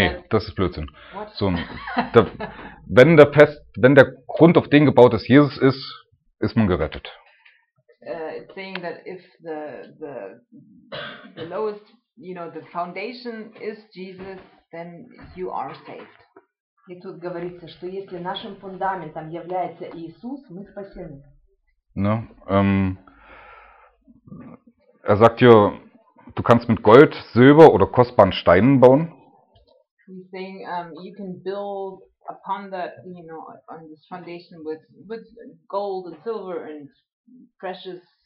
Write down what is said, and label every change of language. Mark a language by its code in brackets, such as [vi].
[de] Das ist Blödsinn. So, wenn der Grund, auf den gebaut ist, Jesus ist, ist man gerettet. [en] It's saying that if the lowest, you know, the foundation is Jesus, then you are saved. [ru] И тут говорится, что если нашим фундаментом является Иисус, мы спасены. [de] Ne? Er sagt dir, du kannst mit Gold, Silber oder kostbaren Steinen bauen. [en] He's saying you can build upon that, you know, on this foundation with gold and silver and precious